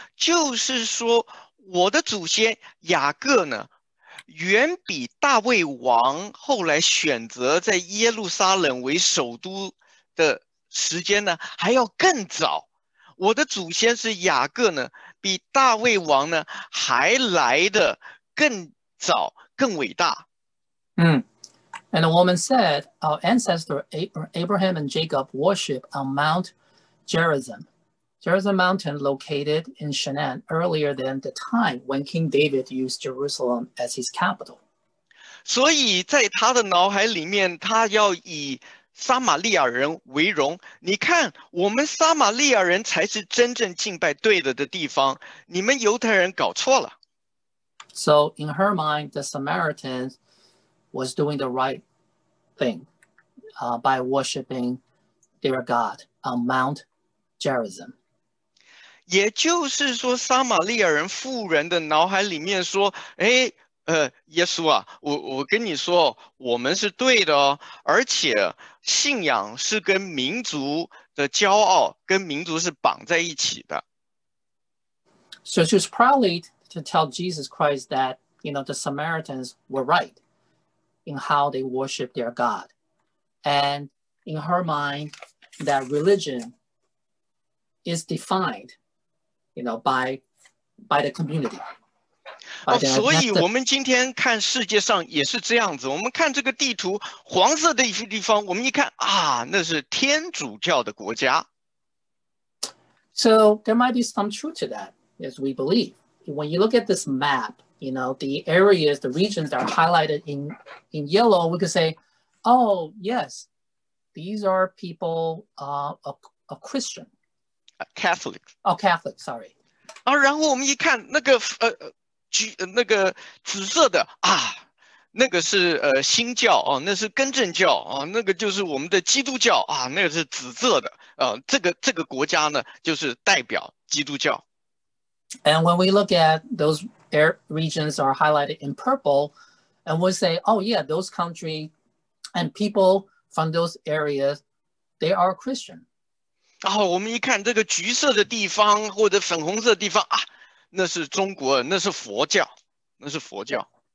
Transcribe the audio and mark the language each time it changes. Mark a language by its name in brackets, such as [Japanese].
[Chinese] 就是说，我的祖先雅各呢，远比大卫王后来选择在耶路撒冷为首都的时间呢，还要更早。我的祖先是雅各呢，比大卫王呢还来的更早、更伟大。 [English] And the woman said, "Our ancestor Abraham and Jacob worshipped on Mount Gerizim, Gerizim Mountain, located in Shenan, earlier than the time when King David used Jerusalem as his capital." [Chinese] 所以在他的脑海里面，他要以撒玛利亚人为荣。你看，我们撒玛利亚人才是真正敬拜对的地方，你们犹太人搞错了。 [English] So in her mind, the Samaritans was doing the right thing by worshiping their God on Mount Gerizim. [Chinese] 也就是说，撒玛利亚人妇人的脑海里面说，哎，耶稣啊，我跟你说，我们是对的哦，而且信仰是跟民族的骄傲，跟民族是绑在一起的。 [English] So she was proudly to tell Jesus Christ that, you know, the Samaritans were right in how they worship their God. And in her mind, that religion is defined, you know, by the community. [Chinese] 所以我们今天看世界上也是这样子，我们看这个地图，黄色的一些地方，我们一看啊，那是天主教的国家。 [English] So there might be some truth to that, as we believe. When you look at this map, you know, the areas, the regions that are highlighted in yellow, we could say, oh, yes, these are people, a Christian. Catholic. Oh, Catholic, sorry. [Chinese] 啊，然后我们一看那个橘那个紫色的啊，那个是新教啊，那是根正教啊，那个就是我们的基督教啊，那个是紫色的啊，这个国家呢就是代表基督教。 [English] And when we look at those air regions are highlighted in purple, and we say, oh yeah, those country and people from those areas, they are Christian. [Chinese] 然后我们一看这个橘色的地方或者粉红色的地方啊，那是中国，那是佛教，那是佛教。